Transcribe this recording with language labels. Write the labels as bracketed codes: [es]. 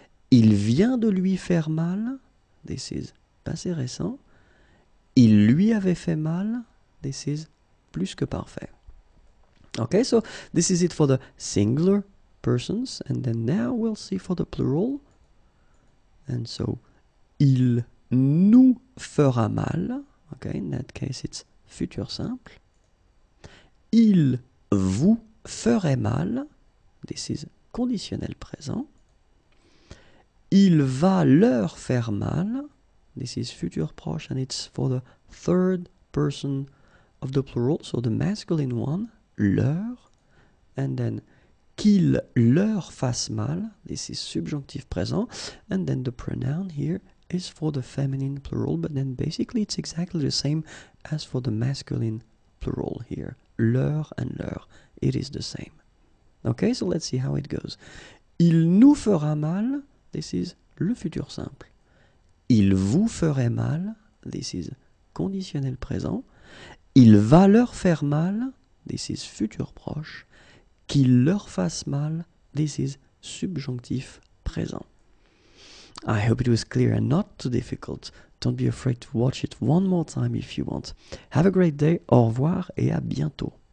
[fr] Il vient de lui faire mal. [en] This is [fr] passé récent. Il lui avait fait mal. [en] This is [fr] plus que parfait. [en] Okay, so this is it for the singular persons, and then now we'll see for the plural. [fr] And so il nous fera mal. [en] Okay, in that case it's futur simple. [fr] Il vous ferait mal. [en] This is conditionnel présent. [fr] Il va leur faire mal. [en] This is futur proche, and it's for the third person of the plural, so the masculine one, leur, and then [fr] qu'il leur fasse mal, [en] this is subjonctive présent, and then the pronoun here is for the feminine plural, but then basically it's exactly the same as for the masculine plural here, leur and leur, it is the same. Okay, so let's see how it goes. [fr] Il nous fera mal, [en] this is [fr] le futur simple. Il vous ferait mal, [en] this is [fr] conditionnel présent. Il va leur faire mal, this is futur proche. qu'il leur fasse mal. [en] This is [fr] subjonctif présent. [en] I hope it was clear and not too difficult. Don't be afraid to watch it one more time if you want. Have a great day, [fr] au revoir et à bientôt.